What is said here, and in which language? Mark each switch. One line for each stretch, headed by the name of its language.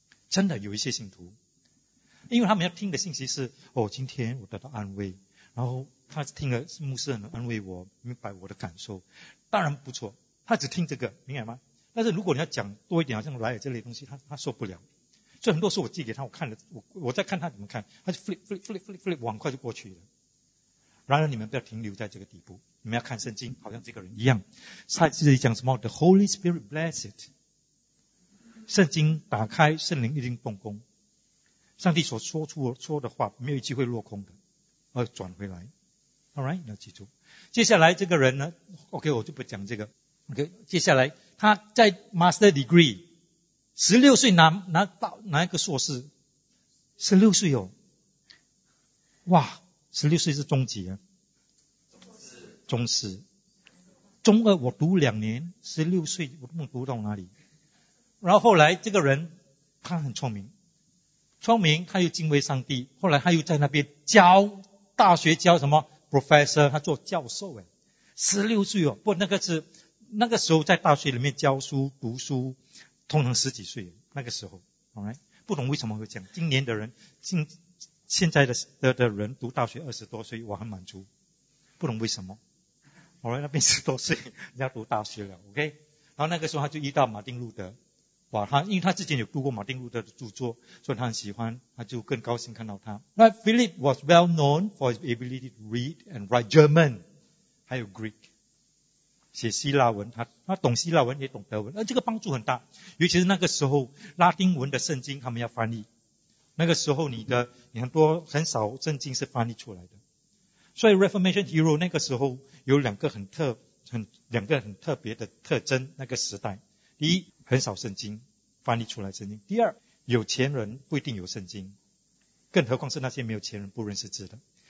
Chinese: 真的有一些信徒，因为他们要听的信息是，哦，今天我得到安慰，然后他听了牧师很安慰我，明白我的感受，当然不错，他只听这个，明白吗？但是如果你要讲多一点，好像来了这类东西，他受不了。所以很多时候我寄给他，我看了，我在看他怎么看，他就 flip 往快就过去了。然而你们不要停留在这个地步，你们要看圣经，好像这个人一样。
English: 他这里讲什么？The Holy Spirit bless it。
Chinese: 圣经打开，圣灵一定动工。上帝所说的话，没有一句会落空的，而转回来。 All right， 要记住。接下来这个人呢 ？OK， 我就不讲这个。 OK， 接下来他在 Master Degree。 16岁拿一个硕士。16岁哦。哇 ,16 岁是中级啊。中师。中二我读两年 ,16 岁我都没读到哪里。然后后来这个人他很聪明。聪明他又敬畏上帝，后来他又在那边教大学教什么 ,professor, 他做教授诶。 16岁哦，不过那个时候在大学里面教书读书通常十几岁那个时候 ，Alright， 不懂为什么会这样。今年的人，现在的人读大学二十多岁，我很满足，不懂为什么。 Alright， 那边十多岁人家读大学了 ，OK。然后那个时候他就遇到马丁路德，哇，他因为他之前有读过马丁路德的著作，所以他很喜欢，他就更高兴看到他。
English: 那 Philip was well known for his ability to read and write German，还有 Greek。
Chinese: 写希腊文，他懂希腊文也懂德文，这个帮助很大。尤其是那个时候拉丁文的圣经他们要翻译，那个时候你很多很少圣经是翻译出来的。所以 Reformation Hero 那个时候有两个很特别的特征，那个时代第一很少圣经翻译出来，圣经第二有钱人不一定有圣经，更何况是那些没有钱人不认识字的。